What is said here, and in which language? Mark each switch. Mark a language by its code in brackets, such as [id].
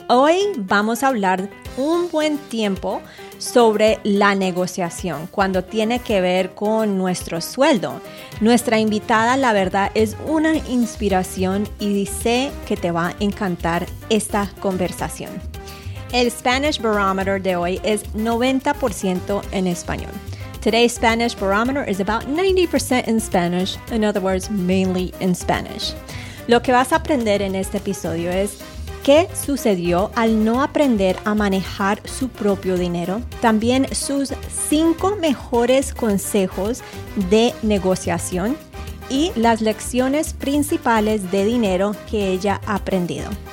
[es] Hoy vamos a hablar un buen tiempo sobre la negociación cuando tiene que ver con nuestro sueldo. Nuestra invitada, la verdad, es una inspiración y sé que te va a encantar esta conversación. El Spanish Barometer de hoy es 90% en español. [en] Today's Spanish Barometer is about 90% in Spanish, in other words, mainly in Spanish. [es] Lo que vas a aprender en este episodio es qué sucedió al no aprender a manejar su propio dinero. También sus 5 mejores consejos de negociación y las lecciones principales de dinero que ella ha aprendido.